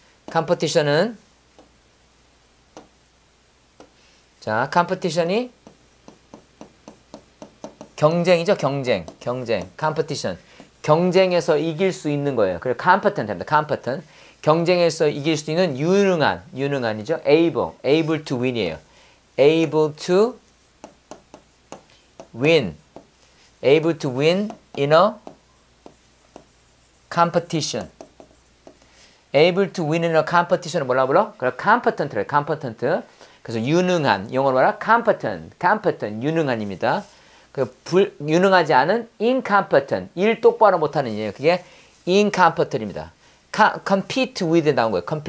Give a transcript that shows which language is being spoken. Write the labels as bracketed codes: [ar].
[ko] competition은 자, 컴피티션이 경쟁이죠. 경쟁. 컴피티션. 경쟁에서 이길 수 있는 거예요. 그래 컴퍼턴트입니다. 컴퍼턴. 경쟁에서 이길 수 있는 유능한이죠. [en] able to win이에요. able to win. able to win in a competition. able to win in a competition을 [ko] 뭐라 불러? 그래 컴퍼턴트래. 컴퍼턴트. 그래서 유능한 영어로 말하 competent 유능한입니다. 그 불 유능하지 않은 incompetent 일 똑바로 못하는 얘예요. 그게 incompetent입니다. compete with 나온 거예요.